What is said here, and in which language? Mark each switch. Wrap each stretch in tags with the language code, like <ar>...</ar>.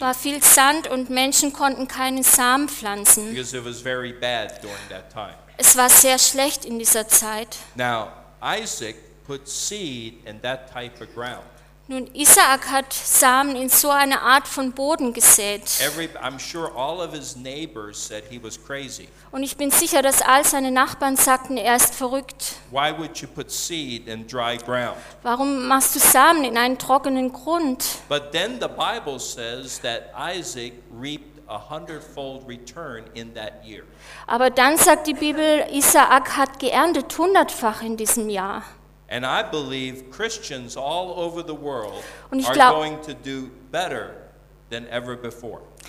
<de>War viel Sand und Menschen konnten keine Samen pflanzen.</de> <en>Because it was very bad during that time.</en> <de>Es war sehr schlecht in dieser Zeit.</de> <en>Now, Isaac put seed in that type of ground.</en> <de>Nun, Isaak hat Samen in so eine Art von Boden gesät.</de> <en>I'm sure all of his neighbors said he was crazy.</en> <de>Und ich bin sicher, dass all seine Nachbarn sagten, er ist verrückt.</de> <en>Why would you put seed in dry ground?</en> <de>Warum machst du Samen in einen trockenen Grund?</de> <en>But then the Bible says that Isaac reaped a hundredfold return in that year.</en> <de>Aber dann sagt die Bibel, Isaak hat geerntet hundertfach in diesem Jahr.</de> <en>And I believe Christians all over the world are going to do better than ever before.</en>